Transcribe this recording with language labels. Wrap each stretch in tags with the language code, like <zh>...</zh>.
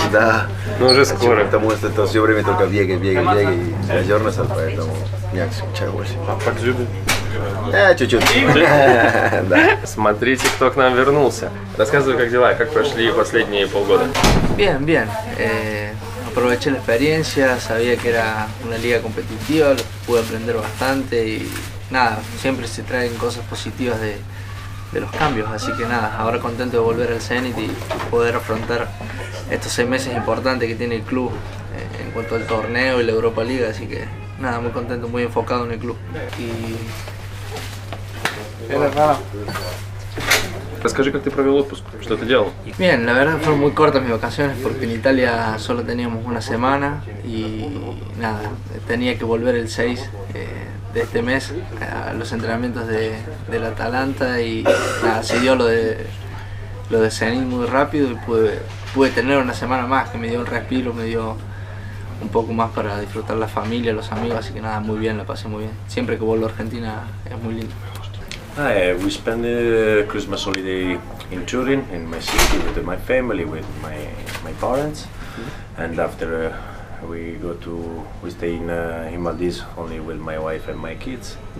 <ru>Да. Ну, уже скоро. Потому что это все время только бегай, и озерный сад, поэтому мяч скучаю больше. А как зюбин? Чуть-чуть. Да. Смотрите, кто к нам вернулся. Рассказывай, как дела, как прошли последние полгода.</ru> <es>Bien. Aproveché la experiencia, sabía que era una liga competitiva, pude aprender bastante y nada, siempre se traen cosas positivas de los cambios, así que nada, ahora contento de volver al Zenit y poder afrontar estos 6 meses importantes que tiene el club en cuanto al torneo y la Europa League, así que nada, muy contento, muy enfocado en el club. Y...</es> <ru>Расскажи, как ты провел отпуск, что ты делал?</ru> <es>Bien, la verdad fueron muy cortas mis vacaciones porque en Italia solo teníamos una semana y nada, tenía que volver el 6 de este mes a los entrenamientos del Atalanta y nada, se dio lo de Zenit muy rápido y pude tener una semana más que me dio un respiro, me dio un poco más para disfrutar la familia, los amigos, así que nada, muy bien, la pasé muy bien. Siempre que vuelvo a Argentina es muy lindo.</es> <en>We spent the Christmas holiday in Turin, in my city, with my family, with my parents. And after we stay in Maldives only with my wife and my kids.</en>